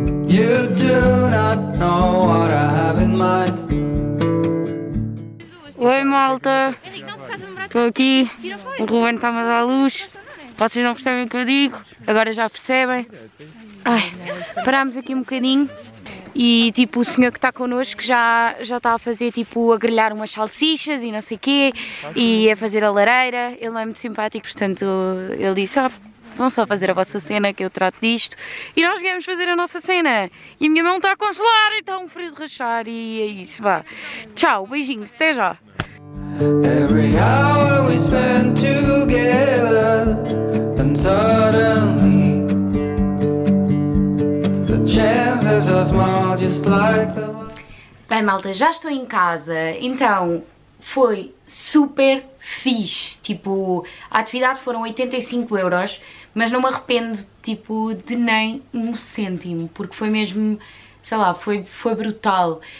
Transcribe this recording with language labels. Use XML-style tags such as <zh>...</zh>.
<en>You do not know what I have in mind.</en> <pt>Oi, malta! Estou aqui, o Ruben está-me a dar a luz, vocês não percebem o que eu digo, agora já percebem. Ai, parámos aqui um bocadinho, E tipo, o senhor que está connosco já está a fazer tipo a grelhar umas salsichas e não sei o quê, e a fazer a lareira. Ele não é muito simpático, portanto ele disse: ah, vão só fazer a vossa cena que eu trato disto. E nós viemos fazer a nossa cena. E a minha mão está a congelar e está um frio de rachar. E é isso, vá. Tchau, beijinhos, até já.</pt> <en>Every hour we spend together, and suddenly the chances are small, just like the...</en> <pt>Bem, malta, já estou em casa, então foi super fixe. Tipo, a atividade foram 85€, mas não me arrependo, tipo, de nem um cêntimo, porque foi mesmo, sei lá, foi brutal.</pt>